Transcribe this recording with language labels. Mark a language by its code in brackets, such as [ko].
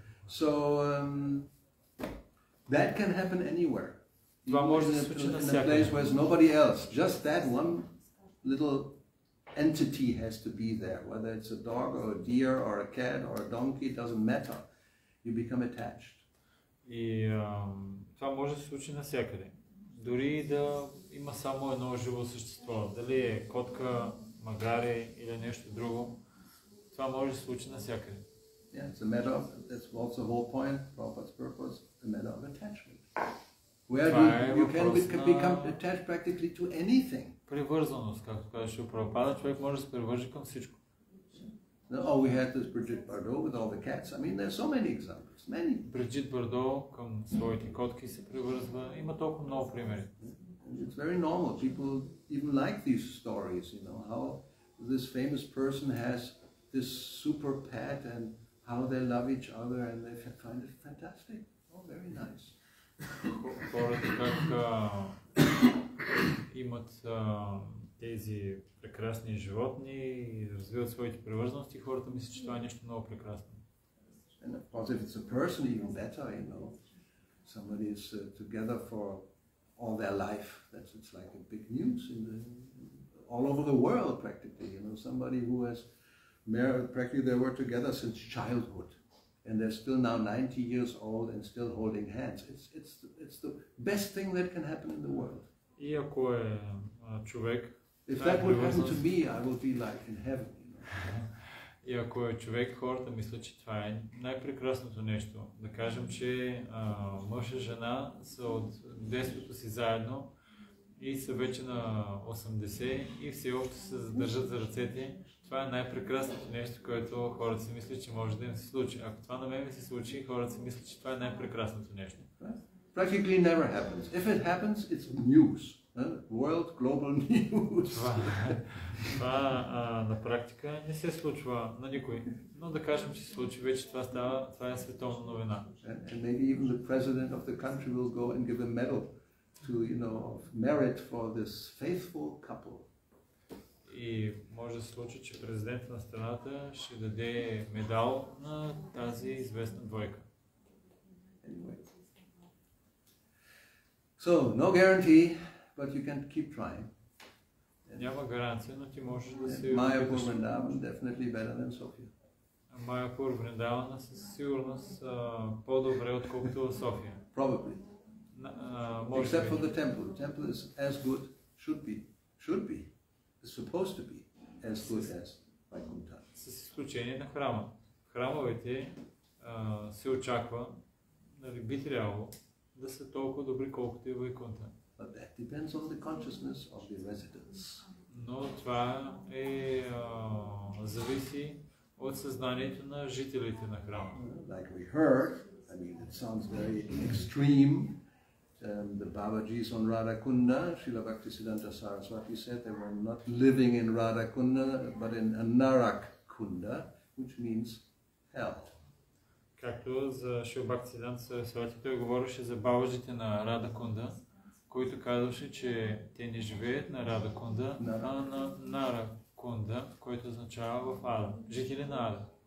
[en] So that can happen anywhere. [bg] Това може да се случи на всякъде. [en] In a place where nobody else, just that one little entity has to be there, whether it's a dog or a deer or a cat or a donkey, it doesn't matter. You become attached. [bg] И това може да се случи навсякъде. Дори да има само едно живо същество, дали е котка, магаре или нещо друго, това може да се случи навсякъде. [en] Yeah, it's a matter of, that's also the whole point, Prabhupada's purpose, a matter of attachment. Where you can become attached practically to anything. [bg] Привързаност, както казваше Прабхупада, човек може да се привържи към всичко. [en] Oh, we had this Brigitte Bardot with all the cats. I mean, there's so many examples, many. [bg] Brigitte Bardot към своите котки се привързва. Има толкова много примери. [en] It's very normal. People even like these stories, you know, how this famous person has this super pet and how they love each other and they find it fantastic. Oh, very nice. [bg] Хората как имат тези прекрасни животни и развиват своите привързаности, хората мисля, че това е нещо много прекрасно. [en] And of course, if it's a person, even better, you know. Somebody is together for all their life. That's it's like a big news in the, all over the world practically. You know, somebody who has married, practically they were together since childhood, and they're still now 90 years old and still holding hands. It's the best thing that can happen in the world. [bg] И кое човек? [en] If that would happen to me, I would be like in heaven. You know? [bg] И ако е човек, хората мислят, че това е най-прекрасното нещо. Да кажем, че мъж и жена са от детството си заедно и са вече на 80 и все още се задържат за ръцете. Това е най-прекрасното нещо, което хората си мислят, че може да им се случи. Ако това на мен се случи, хората си мислят, че това е най-прекрасното нещо. [en] Practically never happens. If it happens, it's news. World global news. [bg] Това на практика не се случва на никой. Но да кажем, че се случи вече, това става, това е световна новина. [en] And maybe even the president of the country will go and give a medal to, you know, of merit for this faithful couple. [bg] И може да се случи, че президентът на страната ще даде медал на тази известна двойка. [en] Anyway. So, no guarantee. But you can keep trying. [bg] Няма гаранция, но ти можеш да се. [en] Майапур Вриндаван definitely better than Sofia. [bg] Майапур Вриндаван със сигурност по-добре отколкото София. [en] Probably. Except for the temple. The temple is as good, should be, is supposed to be as good as Vaikuntha. [bg] С изключение на храма. Храмовете се очаква, нали би трябвало да са толкова добри колкото и Vaikuntha. [en] But that depends on the consciousness of the residents. [bg] Но това е зависи от съзнанието на жителите на храма. [en] Like we heard, I mean, it sounds very extreme. The Babaji's on Radhakunda, Srila Bhaktisiddhanta Saraswati said they were not living in Radhakunda, but in Anarakunda, which means hell. [bg] Както за Шрила Бхактисиддханта Сарасвати, той говореше за Бабаджите на Радхакунда, който казваше, че те не живеят на Радхакунда, а на Наракунда, който означава в Ада, жители на Ада.